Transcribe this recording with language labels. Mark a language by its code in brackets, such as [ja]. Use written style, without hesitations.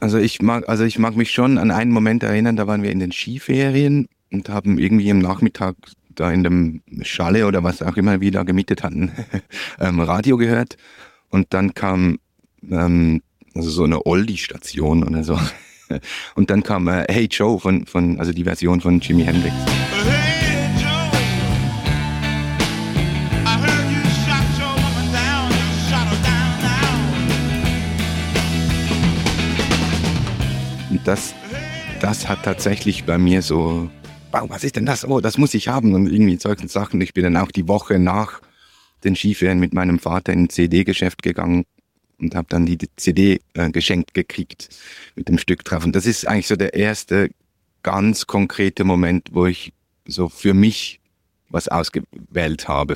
[de] Also ich mag mich schon an einen Moment erinnern, da waren wir in den Skiferien und haben irgendwie am Nachmittag da in dem Schalle oder was auch immer wir da gemietet hatten, Radio gehört. Und dann kam also so eine Oldie-Station oder so. Und dann kam Hey Joe, von also die Version von Jimi Hendrix. [en] Hey Joe, I heard you shot your woman down, you shot her down now. [de] Und das hat tatsächlich bei mir so, wow, was ist denn das? Oh, das muss ich haben. Und irgendwie Zeugs und Sachen. Ich bin dann auch die Woche nach den Skifahren mit meinem Vater in ein CD-Geschäft gegangen und habe dann die CD geschenkt gekriegt mit dem Stück drauf. Und das ist eigentlich so der erste ganz konkrete Moment, wo ich so für mich was ausgewählt habe.